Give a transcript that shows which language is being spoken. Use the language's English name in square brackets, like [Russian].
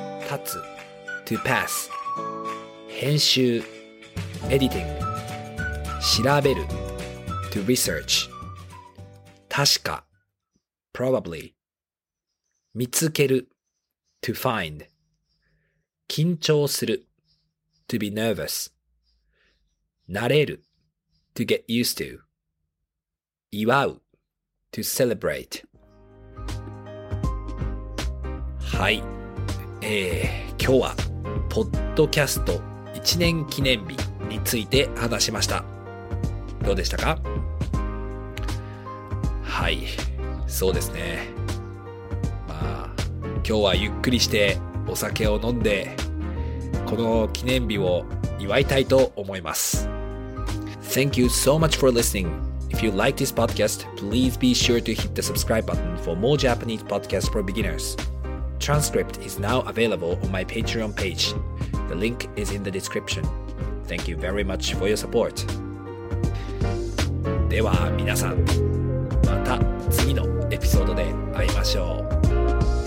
[Japanese] 立つ to pass 編集 editing 調べる to research 確か probably 見つける to find 緊張する to be nervous 慣れる to get used to 祝う to celebrate。はい、今日はポッドキャスト1年記念日について話しました。どうでしたか？はい、そうですね。まあ今日はゆっくりしてお酒を飲んで、この記念日を祝いたいと思います。 [English] Thank you so much for listening. If you like this podcast, please be sure to hit the subscribe button for more Japanese podcasts for beginners. Transcript is now available on my Patreon page. The link is in the description. Thank you very much for your support. [Japanese] では皆さん、また次のエピソードで会いましょう。